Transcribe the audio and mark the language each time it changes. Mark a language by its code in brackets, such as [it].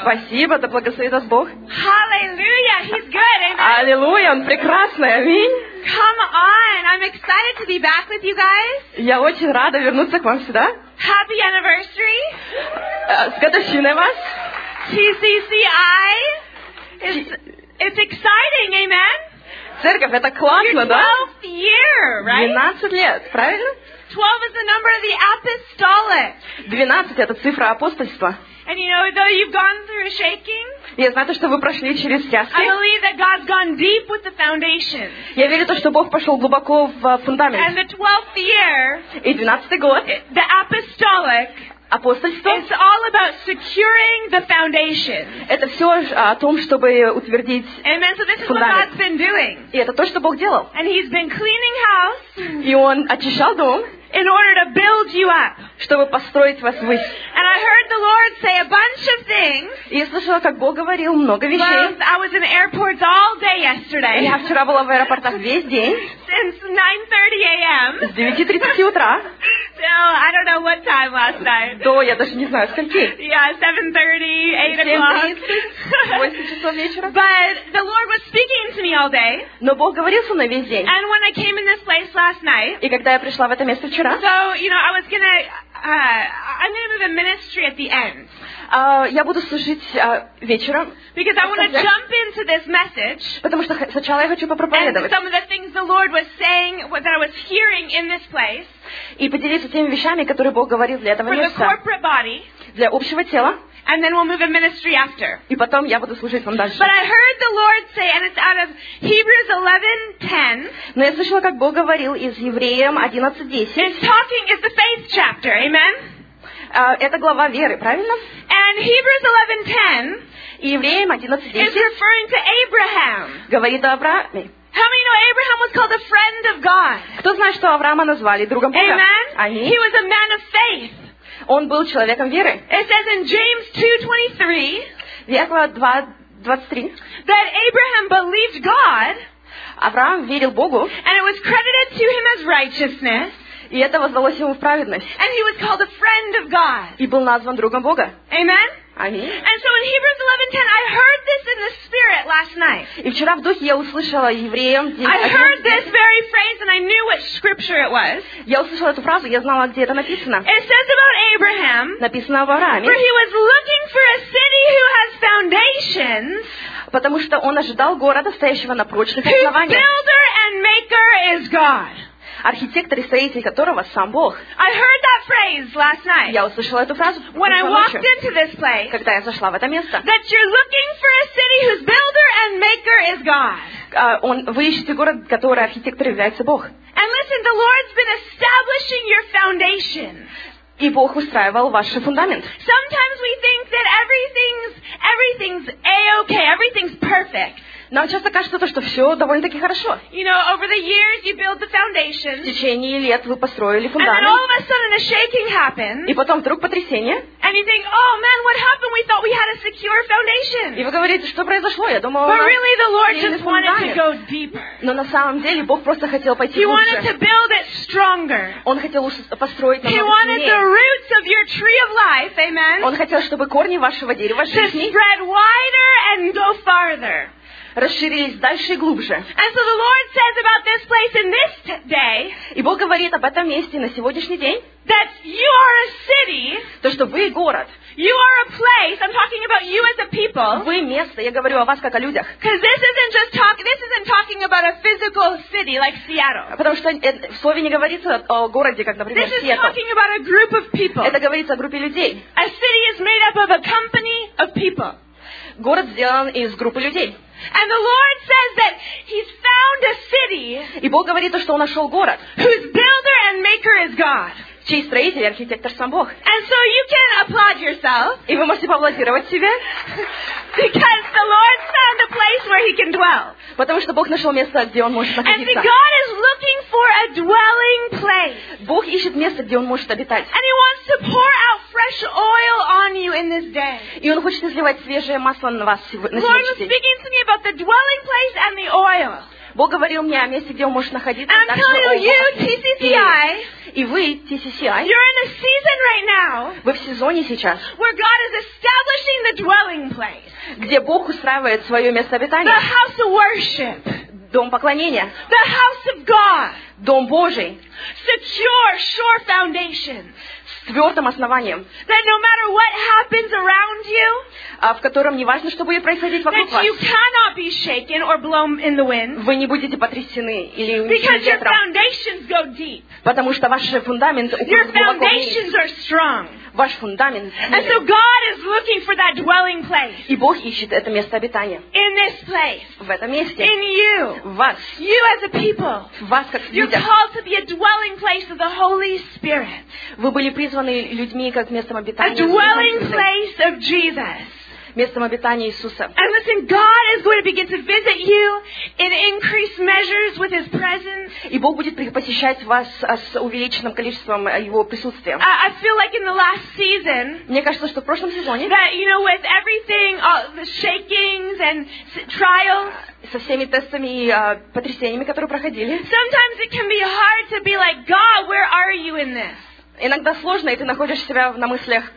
[ru] Спасибо, да благословит вас Бог. [en] Hallelujah, he's good, amen. [ru] Аллилуйя, он прекрасный, аминь. [en] Come on, I'm excited to be back with you guys. [ru] Я очень рада вернуться к вам сюда. [en] Happy anniversary. [ru] С годовщиной вас. [en] TCCI. It's exciting, amen. [ru] Церковь, это классно, да? [en] Your 12th year, right? [ru] 12 лет, правильно? [en] 12 is the number of the apostolic. [ru] 12 это цифра апостольства. [en] And you know, though you've gone through shaking, [ru] я знаю, что вы прошли через тряски. [en] I believe that God's gone deep with the foundation. [ru] Я верю то, что Бог пошел глубоко в фундамент. [en] And the 12th year, [ru] и 12-й год, [en] the apostolic. [ru] Апостольство. [en] It's all about securing the foundation. [ru] Это все о том, чтобы утвердить фундамент. [en] So this is what God's been doing. [ru] И это то, что Бог делал. [en] And he's been cleaning house. [ru] И он очищал дом. [en] In order to build you up. [ru] Чтобы построить вас ввысь. [en] And I heard the Lord say a bunch of things. [ru] И я слышала, как Бог говорил много вещей. [en] Well, I was in airports all day yesterday. [ru] Я вчера была в аэропортах весь день. [en] Since 9:30 a.m. [ru] С 9:30 утра. [en] So I don't know what time last night. [ru] До, я даже не знаю, скольки. [en] Yeah, 7:30, 8 [ru] часов вечера. [en] But the Lord was speaking to me all day. [ru] Но Бог говорил со мной весь день. [en] And when I came in this place last night. [ru] И когда я пришла в это место вчера. [en] So, you know, I was gonna, I'm gonna move a ministry at the end. [ru] Я буду служить вечером. [en] Because I want to jump into this message. [ru] Потому что сначала я хочу попроповедовать. [en] And some of the things the Lord was saying, that I was hearing in this place. [ru] И поделиться теми вещами, которые Бог говорил для этого места. [en] For the corporate body. [ru] Для общего тела. [en] And then we'll move a ministry after. [ru] И потом я буду служить вам дальше. [en] But I heard the Lord say, and it's out of Hebrews 11:10. [ru] Но я слышала, как Бог говорил из Евреям 11:10. [en] It's talking is the faith chapter. Amen. [ru] Это глава веры, правильно? [en] And Hebrews 11:10. [ru] Евреям 11:10. [en] Is referring to Abraham. [ru] Говорит о Аврааме. [en] How many know Abraham was called a friend of God? [ru] Кто знает, что Авраама назвали другом Бога? [en] Amen. [ru] Аминь. [en] He was a man of faith. [ru] Он был человеком веры. [en] It says in James 2:23. [ru] Якова 2:23. [en] That Abraham believed God. [ru] Авраам верил Богу. [en] And it was credited to him as righteousness. [ru] И это воздалось ему в праведность. [en] And he was called a friend of God. [ru] И был назван другом Бога. [en] Amen. [ru] Аминь. [en] And so in Hebrews 11:10, I heard this in the spirit last night. [ru] И вчера в духе я услышала Евреям 11:10. [en] I heard this very phrase and I knew what scripture it was. [ru] Я услышала эту фразу, я знала, где это написано. [en] It says about Abraham. [ru] Написано об Аврааме. [en] For he was looking for a city who has foundations. [ru] Потому что он ожидал города, стоящего на прочных основаниях. [en] Whose builder and maker is God. [ru] Архитектор и строитель которого сам Бог. [en] I heard that phrase last night. [ru] Я услышала эту фразу. [en] When I walked into this place. [ru] Когда я зашла в это место. [en] That you're looking for a city whose builder and maker is God. [ru] Вы ищете город, который архитектор является Бог. [en] And listen, the Lord's been establishing your foundation. [ru] И Бог устраивал ваш фундамент. [en] Sometimes we think that everything's A-okay, everything's perfect. [ru] Нам часто кажется, что все довольно-таки хорошо. [en] You know, over the years you build the foundation. [ru] В течение лет вы построили фундамент. [en] And then all of a sudden a shaking happens. [ru] И потом вдруг потрясение. [en] And you think, oh man, what happened? We thought we had a secure foundation. [ru] И вы говорите, что произошло? Я думала, [en] but really the Lord just wanted to go deeper. [ru] Но на самом деле Бог просто хотел пойти [en] he [ru] лучше. [en] He wanted to build it stronger. [ru] Он хотел построить намного сильнее. [en] He wanted the roots of your tree of life, amen. [ru] Он хотел, чтобы корни вашего дерева жизни. [en] To spread wider and go farther. [ru] Расширились дальше и глубже. [en] And so the Lord says about this place in this day. [ru] И Бог говорит об этом месте на сегодняшний день. [en] That you are a city. [ru] То, что вы город. [en] You are a place. I'm talking about you as a people. [ru] Вы место. Я говорю о вас как о людях. [en] Because this isn't talking about a physical city like Seattle. [ru] Потому что в слове не говорится о городе, как, например, Seattle. [en] This is talking about a group of people. [ru] Это говорится о группе людей. [en] A city is made up of a company of people. [ru] Город сделан из группы людей. [en] And the Lord says that He's found a city. [ru] И Бог говорит то, что Он нашел город. [en] Whose builder and maker is God. [ru] Чей строитель и архитектор сам Бог. [en] And so you can applaud yourself. [ru] И вы можете поаплодировать себе. [en] Because the Lord found a place where He can dwell. [ru] Потому что Бог нашел место, где Он может находиться. [en] And see, God is looking for a dwelling place. [ru] Бог ищет место, где Он может обитать. [en] And He wants to pour out fresh oil on you in this day. [ru] И Он хочет изливать свежее масло на вас на сегодняшний день. [en] Lord was speaking to me about the dwelling place and the oil. [ru] Бог говорил мне о месте, где он может находиться. [en] And I'm telling you, TCCI, [ru] и вы, TCCI, [en] you're in a season right now. [ru] Вы в сезоне сейчас. [en] Where God is establishing the dwelling place. [ru] Где Бог устраивает свое место обитания. [en] The house of worship. [ru] Дом поклонения. [en] The house of God. [ru] Дом Божий. [en] Secure, sure foundation. [ru] С твердым основанием. [en] That no matter what happens around you, [ru] в котором не важно, что будет происходить вокруг [en] that you [ru] вас, [en] cannot be shaken or blown in the wind, [ru] вы не будете потрясены или уничтожены ветром. [en] Your foundations go deep. [ru] Потому что ваши фундаменты глубоко. [en] Your foundations are strong. [ru] Ваш фундамент. [en] And so God is looking for that dwelling place. [ru] И Бог ищет это место обитания. [en] In this place. [ru] В этом месте. [en] In you. [ru] В вас. [en] You as a people. [ru] Вас как люди. [en] You're called to be a dwelling place of the Holy Spirit. [ru] Вы были призваны людьми как местом обитания. [en] A dwelling place of Jesus. [ru] Местом обитания Иисуса. [en] And listen, God is going to begin to visit you in increased measures with His presence. [ru] И Бог будет посещать вас с увеличенным количеством Его присутствия. [en] I feel like in the last season. [ru] Мне кажется, что в прошлом сезоне. [en] That you know, with everything, all the shakings and trials. [ru] Со всеми тестами и потрясениями, которые проходили. [en] Sometimes it can be hard to be like, God, where are you in this? [ru] Иногда сложно, и ты находишь себя на мыслях,